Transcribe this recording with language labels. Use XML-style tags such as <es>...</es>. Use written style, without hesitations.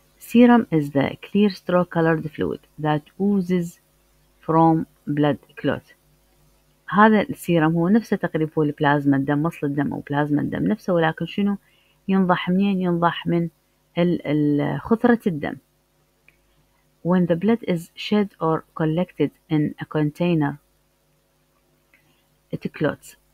<en>Serum is the clear straw colored fluid that oozes from blood clot.</en> <ar>هذا السيرم هو نفسه تقريبا هو البلازما الدم مصل الدم او بلازما الدم نفسه، ولكن شنو ينضح منين؟ ينضح من خثرة الدم.</ar> <en>When the blood is shed or collected in a container it clots.</en>